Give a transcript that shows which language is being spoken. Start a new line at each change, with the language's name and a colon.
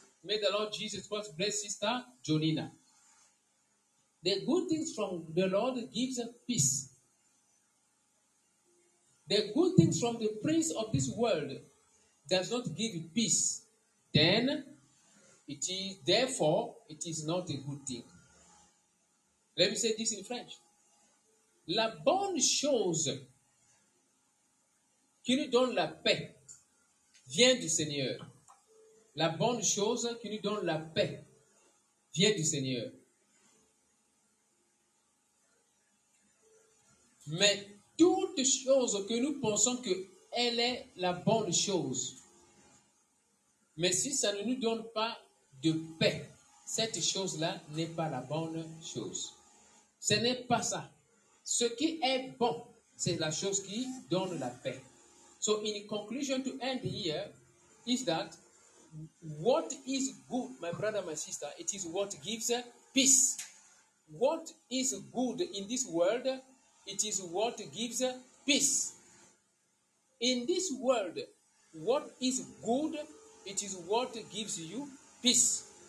English: May the Lord Jesus Christ bless Sister Jolina. The good things from the Lord gives peace. The good things from the prince of this world does not give peace. Then, it is therefore, it is not a good thing. Let me say this in French.
French: La bonne chose qui nous donne la paix vient du Seigneur. La bonne chose qui nous donne la paix vient du Seigneur. Mais toute chose que nous pensons qu'elle est la bonne chose, mais si ça ne nous donne pas de paix, cette chose-là n'est pas la bonne chose. Ce n'est pas ça. Ce qui est bon, c'est la chose qui donne la paix.
English: So in conclusion to end here, is that what is good, my brother, my sister, it is what gives peace. What is good in this world, it is what gives peace. In this world, what is good, it is what gives you peace.